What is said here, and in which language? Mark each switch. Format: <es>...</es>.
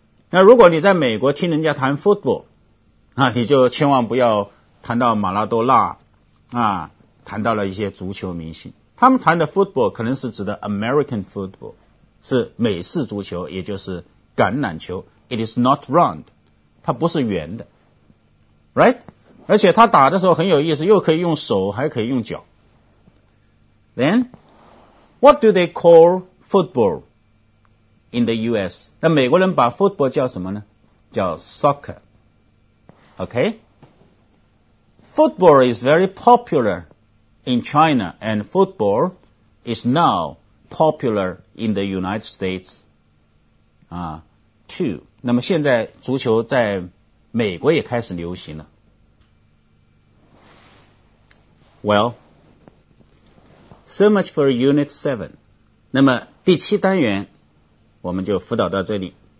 <zh>那如果你在美国听人家谈 football, 啊，你就千万不要谈到马拉多纳啊，谈到了一些足球明星。他们谈的 football 可能是指的 American football, 是美式足球，也就是橄榄球。</zh> <en>It is not round,</en> <zh>它不是圆的。</zh> <en>Right?</en> <zh>而且它打的时候很有意思，又可以用手还可以用脚。</zh> <en>Then, what do they call football in the U.S.?</en> <zh>那美国人把 football 叫什么呢？叫 soccer. Okay?</zh> <en>Football is very popular in China, and football is now popular in the United States, too.</en> <zh>那么现在足球在美国也开始流行了。</zh> <en>Well,So much for Unit 7.</en> <zh>那么第七单元我们就辅导到这里。</zh>